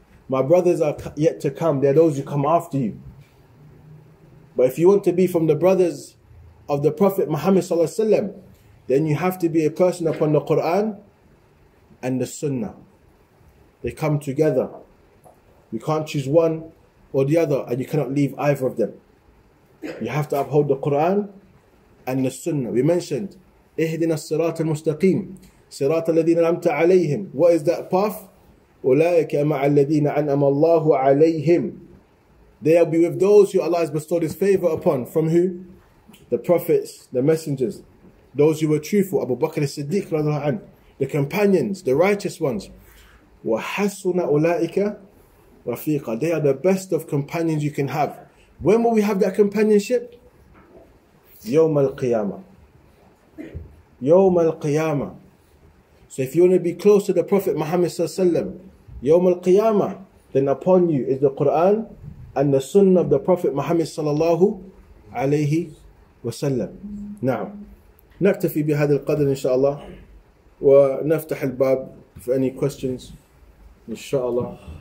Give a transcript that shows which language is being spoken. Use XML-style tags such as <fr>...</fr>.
<en>My brothers are yet to come. They're those who come after you. But if you want to be from the brothers of the Prophet Muhammad Sallallahu Alaihi Wasallam, then you have to be a person upon the Quran and the Sunnah. They come together. You can't choose one or the other, and you cannot leave either of them. You have to uphold the Quran and the Sunnah. We mentioned,</en> <ar>اِهْدِنَا الصِّرَاطَ الْمُسْتَقِيمِ صِرَاطَ الَّذِينَ أَنْعَمْتَ عَلَيْهِمْ.</ar> <en>What is that path?</en> <ar>أُولَٰئِكَ مَعَ الَّذِينَ أَنْعَمَ اللَّهُ عَلَيْهِمْ.</ar> <en>They will be with those who Allah has bestowed His favor upon. From who? The prophets, the messengers, those who were truthful, Abu Bakr as-Siddiq, the companions, the righteous ones.</en> <ar>وَحَسُنَ أُولَٰئِكَ رَفِيقًا.</ar> <en>They are the best of companions you can have. When will we have that companionship?</en> <ar>يَوْمَ الْقِيَامَةِ. يَوْمَ الْقِيَامَةِ.</ar> <en>So if you want to be close to the Prophet Muhammad SAW,</en> <ar>يَوْمَ الْقِيَامَةِ,</ar> <en>then upon you is the Qur'an and the Sunnah of the Prophet Muhammad sallallahu alayhi wasallam. Now,</en> <ar>نكتفي بهذا القدر إن شاء الله ونفتح الباب</ar> <en>for any questions,</en> <ar>إن شاء الله.</ar>